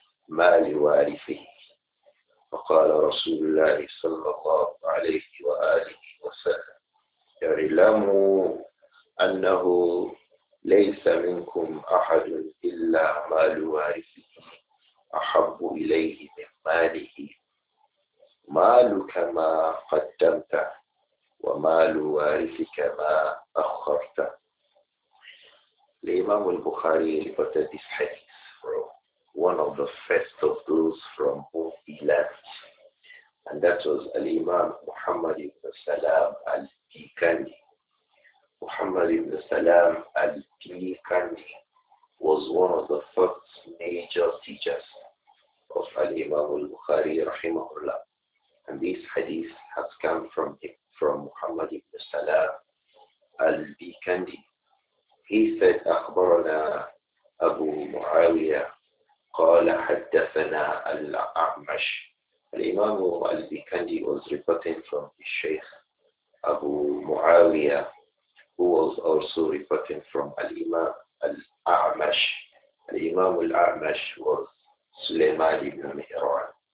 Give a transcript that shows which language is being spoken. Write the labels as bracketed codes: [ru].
[ar] ما لوارثه. فقال رسول الله صلى الله عليه وآله وسلم: اعلموا أنه ليس منكم أحد إلا مال وارثه أحب إليه من ماله. مالك ما قدمت ومال وارثك ما أخرت. [en] الإمام البخاري reported this hadith from one of the first of those from whom he left, and that was Al-Imam Muhammad ibn Salam Al-Tikandi. Muhammad ibn Salam Al-Tikandi was one of the first major teachers of Al-Imam al-Bukhari rahimahullah, and this hadith has come from him, from Muhammad ibn Salam Al-Tikandi. He said, [ar] أَخْبَرَنَا أَبُو مُعَاوِيَا قَالَ حَدَّثَنَا الْأَعْمَشِ. [en] Al-Imam al-Bikandi was reporting from his Shaykh Abu Muawiyah, who was also reporting from Al-Imam al-A'mash. Al-Imam al-A'mash was Sulaiman ibn Mihran.